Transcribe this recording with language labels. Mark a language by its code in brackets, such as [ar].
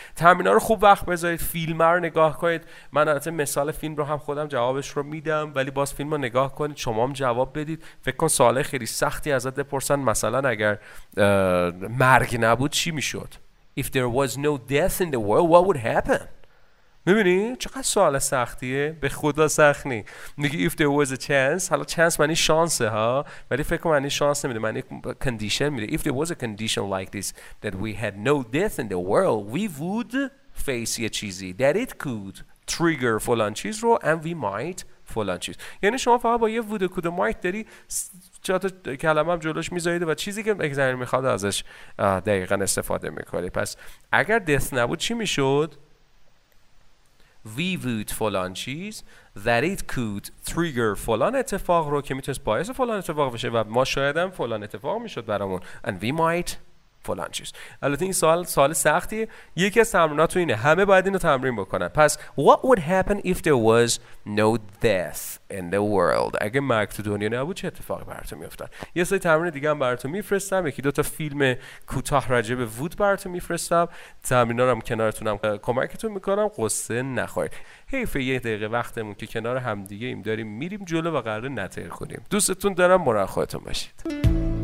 [fa] تمرین ها رو خوب وقت بذارید، فیلم ها رو نگاه کنید. من البته مثال فیلم رو هم خودم جوابش رو میدم، ولی باز فیلم رو نگاه کنید، شما هم جواب بدید. فکر کن سوال خیلی سختی ازت بپرسن، مثلا اگر مرگ نبود چی میشد؟ [en] If there was no death in the world what would happen. [fa] میبینی چقدر سوال سختیه؟ به خدا سخت نی. میگی [en] if there was a chance، [fa] حالا chance معنی شانسه ها، ولی فکر معنی شانس نمیده، معنی condition میده. [en] If there was a condition like this that we had no death in the world we would face [fa] یه چیزی [en] that it could trigger [fa] فلان چیز رو [en] and we might [fa] فلان چیز. یعنی شما فقط با یه would و could و might داری چهتا کلمه هم جلوش میذارید و چیزی که اگزمین میخواد ازش دقیقا استفاده میکنی. پس اگر death نبود چی میشد؟ [en] We would [fa] فلان چیز [en] that it could trigger [fa] فلان اتفاق رو که میتونست باعث فلان اتفاق بشه و ما شاید هم فلان اتفاق میشد برامون [en] and we might [fa] فلان چیز. البته این سوال سختی، یکی از تمریناتو اینه، همه باید اینو تمرین بکنن. پس [en] what would happen if there was no death in the world، [fa] اگه مرگ تو دنیا نبود چه اتفاقی براتون میافتاد. یه سری تمرین دیگه هم براتون میفرستم، یکی دو تا فیلم کوتاه راجع به وود براتون میفرستم. تمرینا رو هم کنارتونم کمکتون میکنم، قصه نخورید. حیف یه دقیقه وقتمون که کنار هم دیگه ایم داریم میریم جلو و قرار نتر کنیم. دوستتون دارم، مراقب خودتون باشید.